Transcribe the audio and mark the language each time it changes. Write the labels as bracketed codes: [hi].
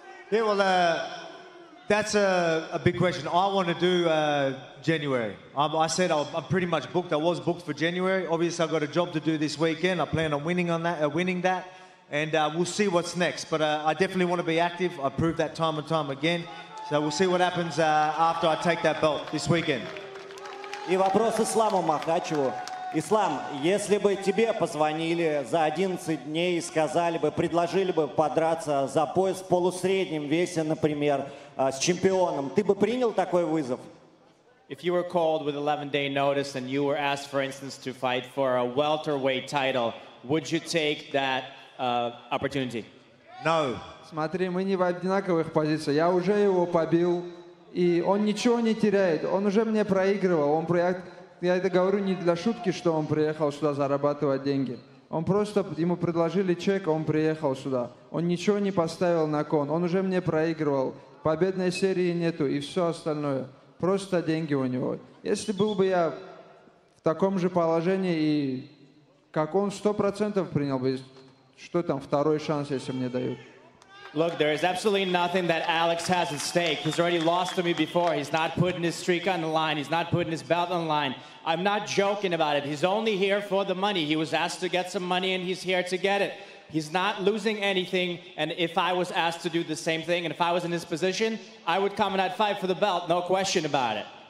[en] Yeah, well, that's a big question. I want to do January. I'm pretty much booked. I was booked for January. Obviously, I've got a job to do this weekend. I plan on winning that, and we'll see what's next. But I definitely want to be active. I prove that time and time again. So we'll see what happens after I take that belt this weekend. [ru] И вопрос Исламу Махачеву. Ислам, если бы тебе позвонили за 11 дней и сказали бы, предложили бы подраться за пояс в полусреднем весе, например, с чемпионом, ты бы принял такой вызов? [en] If you were called with 11-day notice and you were asked, for instance, to fight for a welterweight title, would you take that opportunity? No. [ru] Смотри, мы не в одинаковых позициях. Я уже его побил, и он ничего не теряет. Он уже мне проигрывал. Я это говорю не для шутки, что он приехал сюда зарабатывать деньги. Он просто, ему предложили чек, он приехал сюда. Он ничего не поставил на кон. Он уже мне проигрывал. Победной серии нету и все остальное. Просто деньги у него. Если был бы я в таком же положении, и как он, 100% принял бы. Что там, второй шанс, если мне дают. [en] Look, there is absolutely nothing that Alex has at stake. He's already lost to me before. He's not putting his streak on the line. He's not putting his belt on the line. I'm not joking about it. He's only here for the money. He was asked to get some money, and he's here to get it. He's not losing anything, and if I was asked to do the same thing, and if I was in his position, I would come and I'd fight for the belt, no question about it.